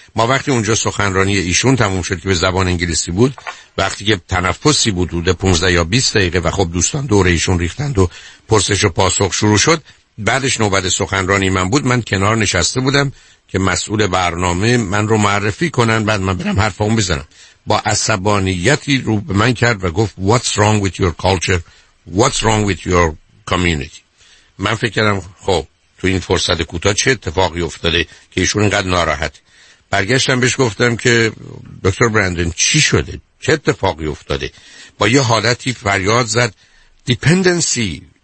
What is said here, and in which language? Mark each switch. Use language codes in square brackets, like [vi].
[fa] ما وقتی اونجا سخنرانی ایشون تموم شد که به زبان انگلیسی بود، وقتی که تنفسی بود حدود 15 یا 20 دقیقه و خب دوستان دور ایشون ریختند و پرسش و پاسخ شروع شد، بعدش نوبت سخنرانی من بود، من کنار نشسته بودم که مسئول برنامه من رو معرفی کنن بعد من برم حرفامو بزنم. با عصبانیتی رو به من کرد و گفت [en] What's wrong with your culture? What's wrong with your community? [fa] من فکر کردم خب تو این فرصت کوتاه چه اتفاقی افتاده که ایشون اینقدر ناراحت. برگشتم بهش گفتم که دکتر برندن چی شده؟ چه اتفاقی افتاده؟ با یه حالتی فریاد زد Dependency.